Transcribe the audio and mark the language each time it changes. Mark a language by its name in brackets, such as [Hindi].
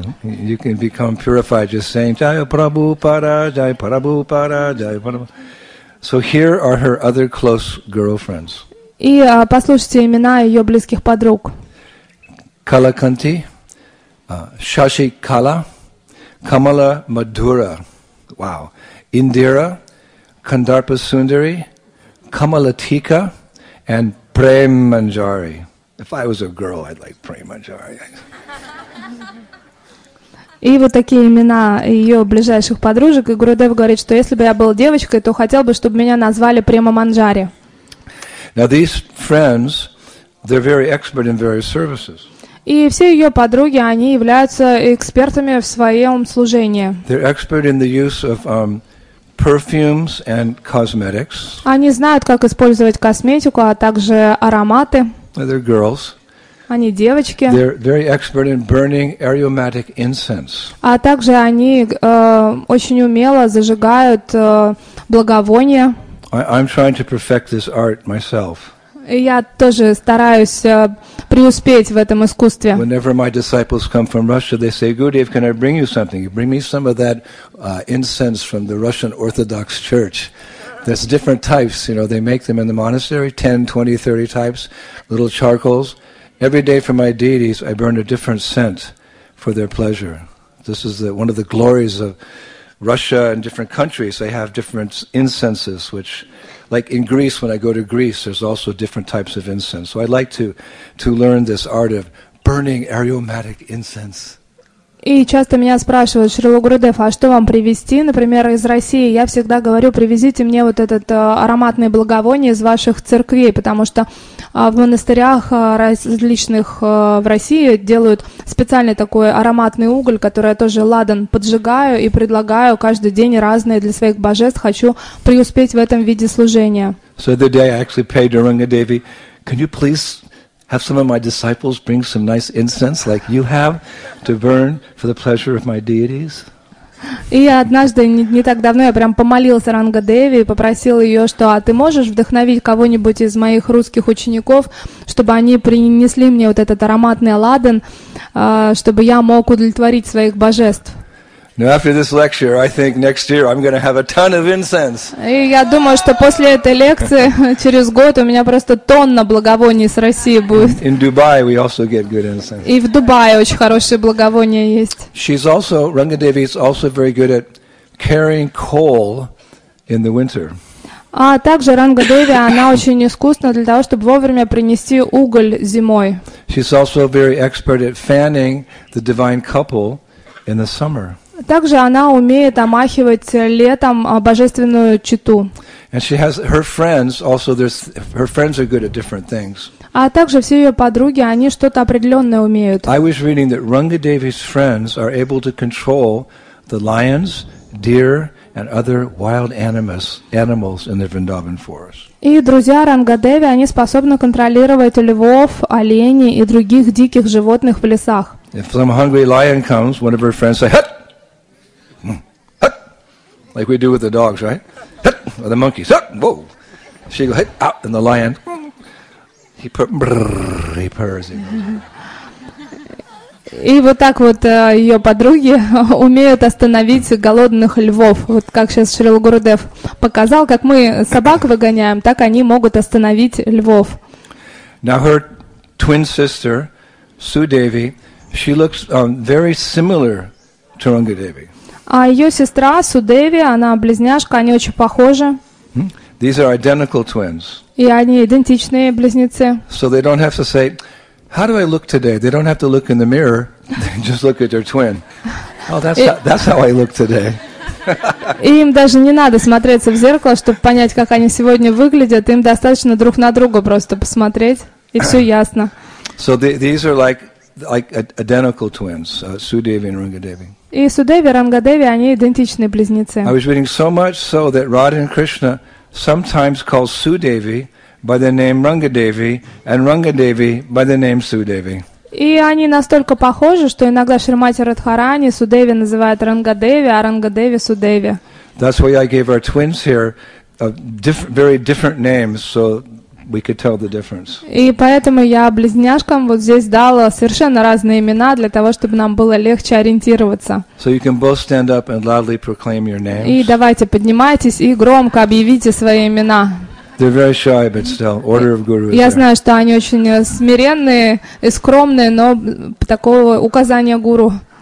[English] You can become purified just saying Jaya Prabhu Para, Jaya Prabhu Para, Jaya Prabhu. So here are her other close girlfriends. [Russian] И послушайте имена ее близких подруг. [English] Kalakanti, Shashi Kala, Kamala Madhura. Wow. Indira, Kandarpa Sundari, Kamalatika, and Prem Manjari. If I was a girl, I'd like Prem Manjari. [Russian] И вот такие имена ее ближайших подружек. И Гурудев говорит, что если бы я была девочкой, то хотел бы, чтобы меня назвали Према Манджари. [English] Now these friends, they're very expert in various services. [Russian] И все ее подруги, они являются экспертами в своем служении. [English] They're expert in the use of perfumes and cosmetics. [Russian] Они знают, как использовать косметику, а также ароматы. [English] They're girls. [Russian] Они девочки. [English] They're very expert in burning aromatic incense. [Russian] А также они очень умело зажигают благовония. [English] I'm trying to perfect this art myself. [Russian] И я тоже стараюсь преуспеть в этом искусстве. [English] Whenever my disciples come from Russia, they say, Gurudev, can I bring you something? You bring me some of that incense from the Russian Orthodox Church. There's different types, you know, they make them in the monastery, 10, 20, 30 types, little charcoals. Every day for my deities, I burn a different scent for their pleasure. This is one of the glories of Russia and different countries. They have different incenses, which... Like in Greece, when I go to Greece, there's also different types of incense. So I'd like to learn this art of burning aromatic incense. [Russian] И часто меня спрашивают, Шрила Гурудев, а что вам привезти, например, из России? Я всегда говорю, привезите мне вот этот ароматный благовоние из ваших церквей, потому что в монастырях различных в России делают специальный такой ароматный уголь, который я тоже ладан поджигаю и предлагаю каждый день разные для своих божеств. Хочу преуспеть в этом виде служения. [English] So the day I actually paid Duranga Devi, can you please... Have some of my disciples bring some nice incense, like you have, to burn for the pleasure of my deities. [Russian] И однажды не так давно я прям помолился Ранга Деви и попросил ее, что а ты можешь вдохновить кого-нибудь из моих русских учеников, чтобы они принесли мне вот этот ароматный ладан, чтобы я мог удовлетворить своих божеств. [English] Now after this lecture, I think next year I'm going to have a ton of incense. [Russian] И я думаю, что после этой лекции через год у меня просто тонна благовоний с России будет. [English] In Dubai, we also get good incense. [Russian] И в Дубае очень хорошие благовония есть. [English] She's also Ranga Devi is also very good at carrying coal in the winter. [Russian] А также Ранга Деви она очень искусна для того, чтобы вовремя принести уголь зимой. [English] She's also very expert at fanning the divine couple in the summer. [Russian] Также она умеет омахивать летом божественную чету. [English] And she has her friends also there's her friends are good at different things. [Russian] А также все ее подруги, они что-то определенное умеют. [English] I was reading that Runga Devi's friends are able to control the lions, deer, and other wild animals in the Vrindavan forest. [Russian] И друзья Рангадеви, они способны контролировать львов, оленей и других диких животных в лесах. [English] If some hungry lion comes, one of her friends says, "Hut!" Hut! Like we do with the dogs, right? Hut! Or the monkeys. Hut! Whoa! She goes, "Hut!" Out, and the lion, he purrs, he purrs. [Russian] И вот так вот ее подруги умеют остановить голодных львов. Вот как сейчас Шрила Гурудев показал, как мы собак выгоняем, так они могут остановить львов. [English] Now her twin sister, Sudevi, she looks very similar to Rangadevi. [Russian] А ее сестра Судеви, она близняшка, они очень похожи. [English] These are identical twins. [Russian] И они идентичные близнецы. [English] So they don't have to say, "How do I look today?" They don't have to look in the mirror; they just look at their twin. Oh, that's how I look today. [Russian] Им даже не надо смотреться в зеркало, чтобы понять, как они сегодня выглядят. Им достаточно друг на друга просто посмотреть, и все ясно. [English] So these are like identical twins, Sudevi and Rangadevi. [Russian] И Судеви и Рангадеви, они идентичные близнецы. [English] I was reading so much so that Radha and Krishna sometimes call Sudevi by the name Rangadevi, and Rangadevi by the name Sudevi. [Russian] И они настолько похожи, что иногда Шримати Радхарани Судеви называют Рангадеви, а Рангадеви Судеви. [English] That's why I gave our twins here very different names, so we could tell the difference. [Russian] И поэтому я близняшкам вот здесь дала совершенно разные имена для того, чтобы нам было легче ориентироваться. [English] So you can both stand up and loudly proclaim your names. [Russian] И давайте поднимайтесь и громко объявите свои имена. [English] They're very shy, but still, order of guru. [Russian] Я знаю, что они очень смиренные и скромные, но такого указания гуру.